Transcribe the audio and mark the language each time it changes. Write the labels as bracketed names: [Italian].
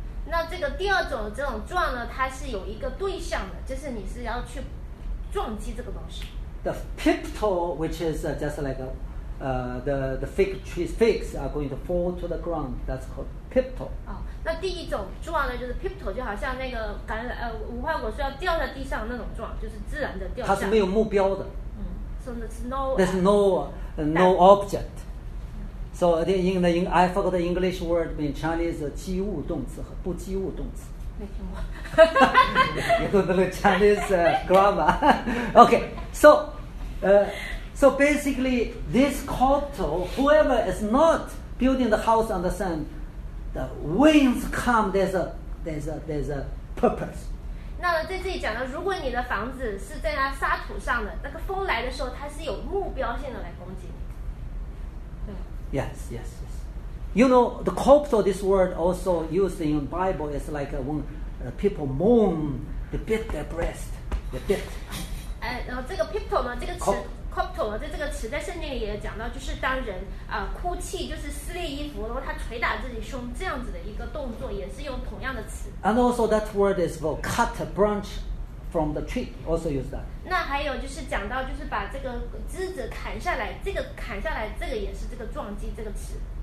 [Chinese] 那这个第二种这种撞呢，它是有一个对象的，就是你是要去撞击这个东西。 [English] The piptal, which is just like the fig trees, figs are going to fall to the ground. That's called piptal. [Chinese] 那第一种撞呢，就是 piptal, 就好像那个无花果是要掉在地上那种撞，就是自然的掉下。它是没有目标的。 [English] So there's no object. So in I forgot the English word in Chinese, [Chinese] 及物动词和不及物动词。没听过。 [English] You don't know Chinese grammar. Okay, so basically, this coptal, whoever is not building the house on the sand, the winds come, there's a purpose. [Chinese] 那在这里讲的，如果你的房子是在那沙土上的，那个风来的时候，它是有目标性的来攻击你。对。 [English] Yes. You know the coptal, this word also used in Bible is like when people moan, they beat their breast, they beat. [Chinese] 然后这个 piptal 呢，这个词 coptal 呢，在这个词在圣经里也讲到，就是当人哭泣，就是撕裂衣服，然后他捶打自己胸这样子的一个动作，也是用同样的词。 [English] And also that word is for cut a branch from the tree, also use that. [Chinese] 那还有就是讲到就是把这个枝子砍下来，这个砍下来，这个也是这个撞击这个词。